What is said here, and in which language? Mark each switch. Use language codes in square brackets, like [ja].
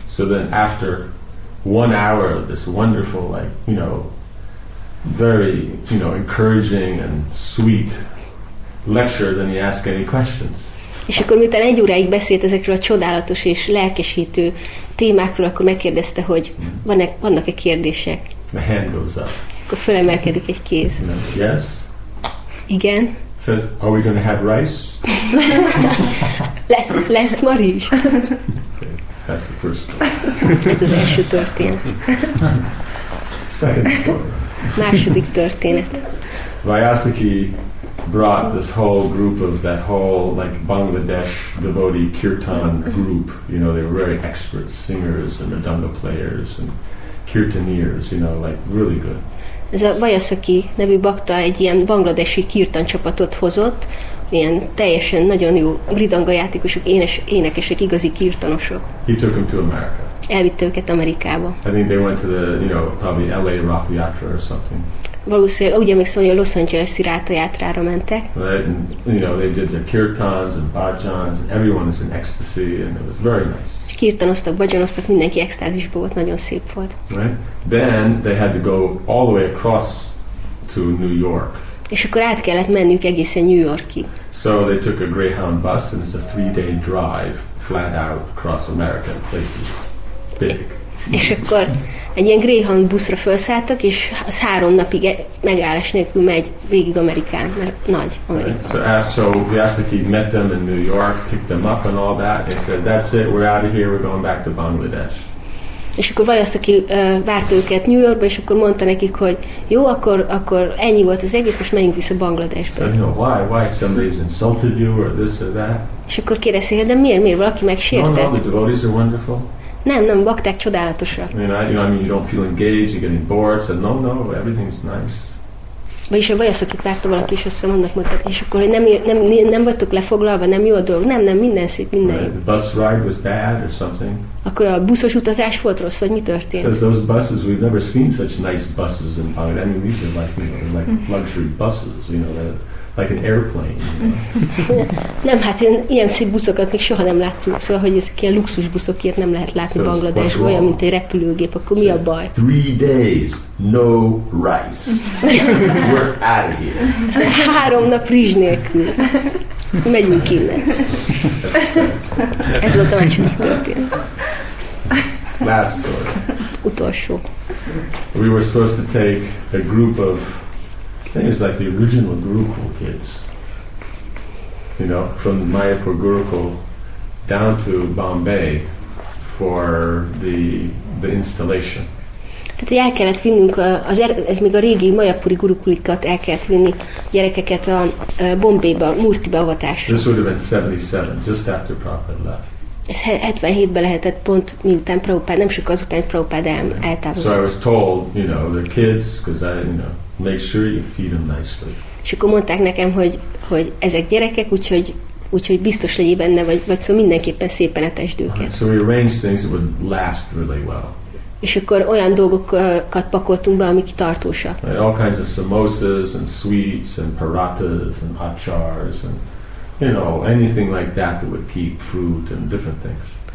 [en] So then after one hour of this wonderful, like, you know, very, you know, encouraging and sweet lecture, then you ask any questions. [hu] És akkor miután egy óráig beszélt ezekről a csodálatos és lelkesítő témákról, akkor megkérdezte, hogy vannak-e kérdések. [en] The hand goes up. [hu] Akkor fölemelkedik egy kéz. [en] Yes. [hu] Igen. [en] So, are we going to have rice? [hu] lesz ma rizs. [en] Okay, that's the first story. [hu] Ez az első történet. [en] Second story. [hu] Második történet. [en] Vyasaki brought this whole group of that whole like Bangladesh devotee kirtan group. You know, they were very expert singers and mridanga players and kirtaniers, you know, like really good. [hu] Ez a Vyasaki nevű bakta egy ilyen bangladesi kirtan csapatot hozott, ilyen teljesen nagyon jó mridanga játékosok, énekesek, igazi kirtanosok. [en] He took them to America. [hu] Elvitte őket Amerikába. [en] I think they went to the, you know, probably LA Rafi Yatra or something. [hu] Valószínűleg, úgy emlékszem, hogy a Los Angeles-i Rátajátrára mentek. [en] Right, you know, they did their kirtans and bhajans, everyone is in ecstasy, and it was very nice. [hu] És kirtanoztak, bhajanoztak, mindenki extázisból volt, nagyon szép volt. [en] Right? Then they had to go all the way across to New York. [hu] És akkor át kellett mennünk egészen New Yorkig. [en] So they took a Greyhound bus, and it's a 3-day drive, flat out, across America, places big. [hu] És akkor egy ilyen Greyhound buszra felszálltak, és az 3 napig megállás nélkül megy végig Amerikán, mert nagy Amerika. [en] Right. So Vyasaki met them in New York, picked them up and all that. They said, that's it, we're out of here, we're going back to Bangladesh. [hu] És akkor Vyasaki várta őket New Yorkba, és akkor mondta nekik, hogy jó, akkor ennyi volt az egész, most menjünk vissza Bangladesbe. [en] So, you know, why somebody's insulted you, or this or that? [hu] És akkor kérdezték, de miért valaki megsértett? [en] No, the devotees are wonderful. [hu] Nem, bakták csodálatosak. [en] I mean, you don't feel engaged, you're getting bored, so no, everything is nice. [hu] Vagyis a Vyasakit várta valaki, és azt mondta, és akkor nem vagytok lefoglalva, nem jó a dolog, nem, minden szép, minden jó. [en] The bus ride was bad or something. [hu] Akkor a buszos utazás volt rossz, hogy mi történt? [en] Says those buses, we've never seen such nice buses in Bangladesh. I mean, these are like, you know, like luxury buses, you know, like an airplane. [hu] Nem, hát ilyen szép buszokat még soha nem láttuk, szóval, hogy ezek ilyen luxus buszokért nem lehet látni Bangladesh, olyan, mint egy repülőgép, akkor mi a baj? [en] 3 days, no rice. We're out of here. [hu] 3 nap rizs nélkül. Megyünk innen. Ez volt a második történet. [en] Last story. [hu] Utolsó. [en] We were supposed to take a group of, I think it's like the original Gurukul kids, you know, from Mayapur Gurukul down to Bombay for the installation. [hu] Tehát el kellett vinnünk, ez még a régi Mayapuri Gurukulikat el kellett vinni gyerekeket a Bombayba, Murti beavatásra. [en] This would have been 77, just after Prabhupada left. [hu] Ez 77-ben lehetett, pont miután Prabhupada, nem sok azután, hogy Prabhupada eltávozott. [en] So I was told, you know, the kids, because I, you know, make sure you feed them nicely. [hu] És akkor mondták nekem, hogy ezek gyerekek, úgyhogy biztos legyél benne, vagy szóval mindenképpen szépen etesd őket. [en] So we arranged things that would last really well. [hu] És akkor olyan dolgokat pakoltunk be, amik tartósak. [en] Right, all kinds of samosas and sweets and paratas and achars and, you know, anything like that would keep fruit and different things.